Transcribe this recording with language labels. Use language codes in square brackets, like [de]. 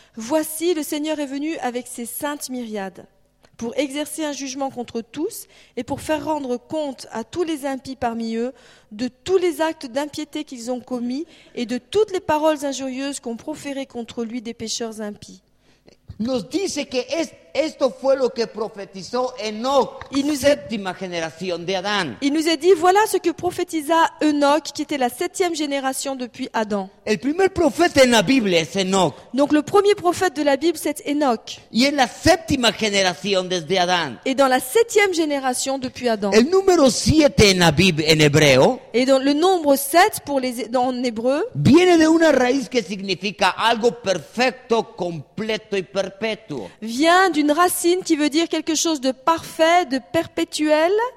[fr] Voici, le Seigneur est venu avec ses saintes myriades pour exercer un jugement contre tous et pour faire rendre compte à tous les impies parmi eux de tous les actes d'impiété qu'ils ont commis et de toutes les paroles injurieuses qu'ont proférées contre lui des pécheurs impies. [es] Nos dice que esto fue lo que profetizó Enoch, séptima generación de Adán. [fr] Il nous a dit, voilà ce que prophétisa Enoch, qui était la septième génération depuis Adam. [es] El primer profeta en la Biblia es Enoch. [fr] Donc le premier prophète de la Bible, c'est Enoch. [es] Y en la séptima generación desde Adán. [fr] Et dans la septième génération depuis Adam. [es] El número siete en la Biblia en hebreo. [fr] Et dans le nombre 7 pour les en hébreu. [es] Viene de una raíz que significa algo perfecto, completo y perpetuo. [fr] Vient d'une racine qui veut dire quelque chose de parfait, de perpétuel.